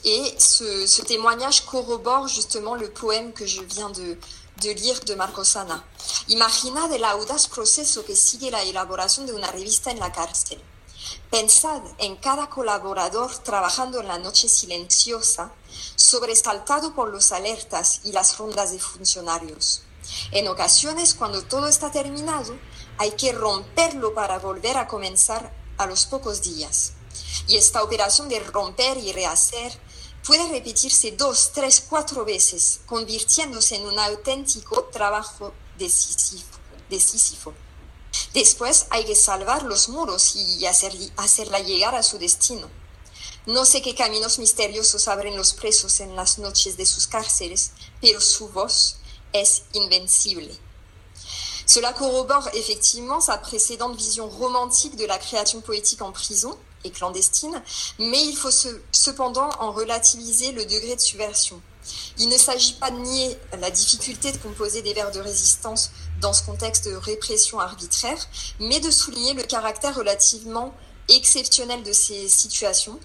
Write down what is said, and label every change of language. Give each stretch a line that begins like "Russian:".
French: Et ce témoignage corrobore justement le poème que je viens de lire de Marco Sana.
Spanish: Imaginad el audaz proceso que sigue la elaboración de una revista en la cárcel. Pensad en cada colaborador trabajando en la noche silenciosa, sobresaltado por los alertas y las rondas de funcionarios. En ocasiones, cuando todo está terminado, hay que romperlo para volver a comenzar a los pocos días. Y esta operación de romper y rehacer puede repetirse 2, 3, 4 veces, convirtiéndose en un auténtico trabajo de Sísifo. Después hay que salvar los muros y hacerla llegar a su destino. No sé qué caminos misteriosos abren los presos en las noches de sus cárceles, pero su voz es invencible.
French: Cela corrobore effectivement sa précédente vision romantique de la création poétique en prison et clandestine, mais il faut cependant en relativiser le degré de subversion. Il ne s'agit pas de nier la difficulté de composer des vers de résistance dans ce contexte de répression arbitraire, mais de souligner le caractère relativement exceptionnel de ces situations.